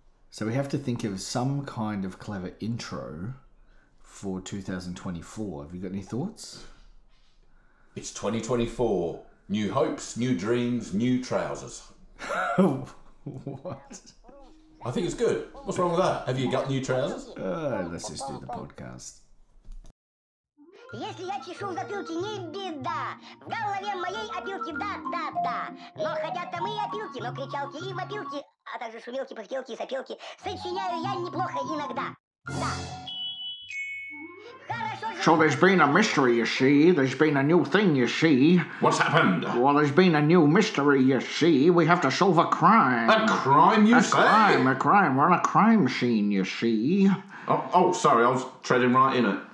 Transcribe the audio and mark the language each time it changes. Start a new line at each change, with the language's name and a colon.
English: So we have to think of some kind of clever intro for 2024. Have you got any thoughts? It's 2024. New hopes, new dreams, new trousers. What? I think it's good. What's wrong with that? Have you got new trousers? Let's just do the podcast.
Russian: Если я чешу в затылке, не беда. В голове моей опилки, да-да-да. Но хотя там и опилки, но кричалки и вопилки, а также шумилки, пыхтелки и сопилки, сочиняю я неплохо иногда. Да.
English: So there's been a mystery, you see. There's been a new thing, you see. What's happened? Well, there's been a new mystery, you see. We have to solve a crime. A crime, you a say? A crime. We're on a crime scene, you see. Oh, sorry. I was treading right in it.